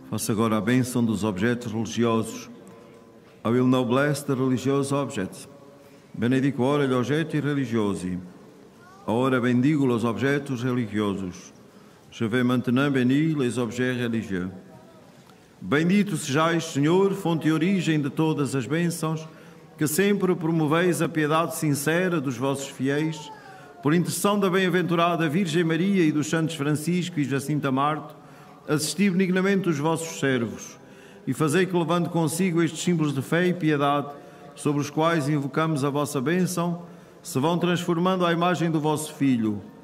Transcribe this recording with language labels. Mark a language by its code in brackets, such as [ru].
[pt] Agora a bênção dos objetos religiosos. [en] I will now bless the religious objects. [it] Benedico ora gli oggetti religiosi. [es] Ora bendigo los objetos religiosos. [fr] Je vais maintenant bénir les objets religieux. [pt] Bendito sejais, Senhor, fonte e origem de todas as bênçãos, que sempre promoveis a piedade sincera dos vossos fiéis, por intercessão da bem-aventurada Virgem Maria e dos Santos Francisco e Jacinta Marto. Assisti benignamente os vossos servos e fazei que, levando consigo estes símbolos de fé e piedade sobre os quais invocamos a vossa bênção, se vão transformando à imagem do vosso Filho.